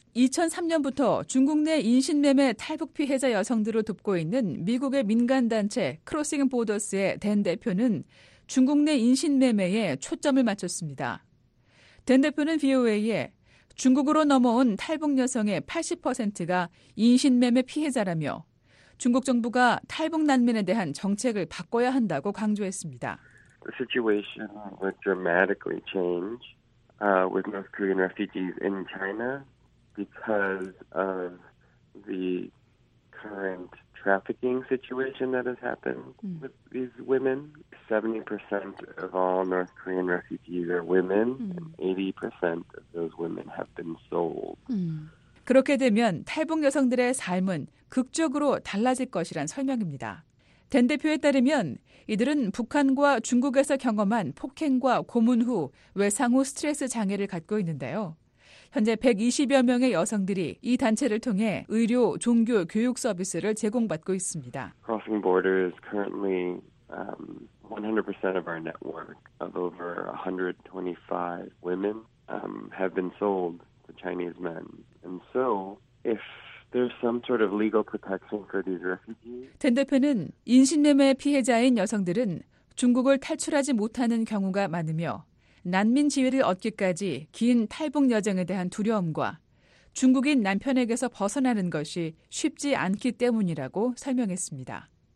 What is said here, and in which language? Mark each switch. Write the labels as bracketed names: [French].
[Korean] 2003년부터 중국 내 인신매매 탈북 피해자 여성들을 돕고 있는 미국의 민간단체 크로싱 보더스의 댄 대표는 중국 내 인신매매에 초점을 맞췄습니다. 댄 대표는 VOA에 중국으로 넘어온 탈북 여성의 80%가 인신매매 피해자라며 중국 정부가 탈북 난민에 대한 정책을 바꿔야 한다고 강조했습니다. [English] The situation would dramatically change with North Korean refugees in China because of the current trafficking situation that has happened with these women. 70% of all North Korean refugees are women and 80% of those women have been sold. [Korean] 그렇게 되면 탈북 여성들의 삶은 극적으로 달라질 것이란 설명입니다. 댄 대표에 따르면 이들은 북한과 중국에서 경험한 폭행과 고문 후 외상 후 스트레스 장애를 갖고 있는데요. 현재 120여 명의 여성들이 이 단체를 통해 의료, 종교, 교육 서비스를 제공받고 있습니다. [English] Crossing Border is currently 100% of our network of over 125 women have been sold to Chinese men. And so, if there's some sort of legal protection for these refugees. [Korean] 댄 대표는 인신매매 피해자인 여성들은 중국을 탈출하지 못하는 경우가 많으며 난민 지위를 얻기까지 긴 탈북 여정에 대한 두려움과 중국인 남편에게서 벗어나는 것이 쉽지 않기 때문이라고 설명했습니다.